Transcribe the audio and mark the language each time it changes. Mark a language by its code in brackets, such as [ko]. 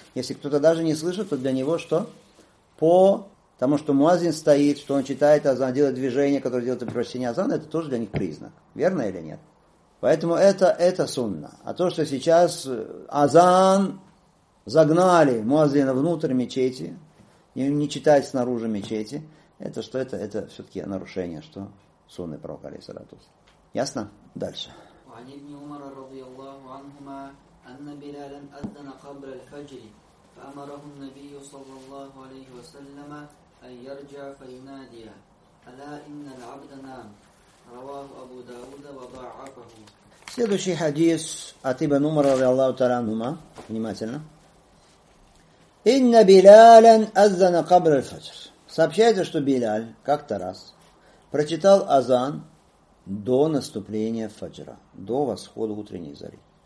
[ru] Если кто-то даже не слышит, то для него что? По тому, что муаззин стоит, что он читает азан, делает движение, которое делает превращение азана, это тоже для них признак. Верно или нет? Поэтому это сунна. А то, что сейчас азан загнали муаззина внутрь мечети, не читает снаружи мечети, это что? Это все-таки нарушение, что сунны пророка алейхиссалатус. Ясно? Дальше. [ar] وعلي بن عمر رضي الله عنهما أن بلالا أذن قبل الفجر فأمره النبي صلى الله عليه وسلم أن يرجع فينادي ألا إن العبد نام رواه أبو داود وضعفه. [ru] Следующий хадис от Ибн Умара [ar] رضي الله تعالى عنهما. [ru] Внимательно. [ar] إن بلالا أذن قبل الفجر. [ru] Сообщается, что Биляль как-то раз прочитал азан до наступления фаджра, до восхода утренней зари.